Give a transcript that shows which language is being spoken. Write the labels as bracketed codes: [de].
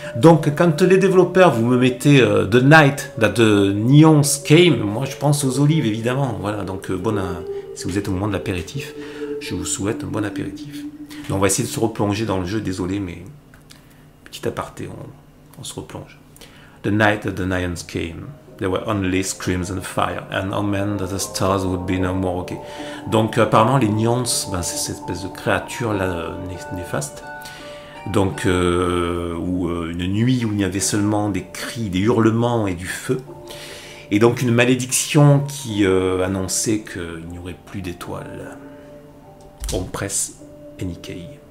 [fr] Donc quand les développeurs, vous me mettez The Night, The Neon Game, moi je pense aux olives évidemment. Voilà, donc si vous êtes au moment de l'apéritif, je vous souhaite un bon apéritif. Donc on va essayer de se replonger dans le jeu, désolé, mais petit aparté, on se replonge. [en] The night that the lions came, there were only screams and fire, and omen that the stars would be no more. Okay. [fr] Donc apparemment les nions, ben, c'est cette espèce de créature là néfaste, donc une nuit où il n'y avait seulement des cris, des hurlements et du feu, et donc une malédiction qui annonçait qu'il n'y aurait plus d'étoiles. On presse. Nikkei.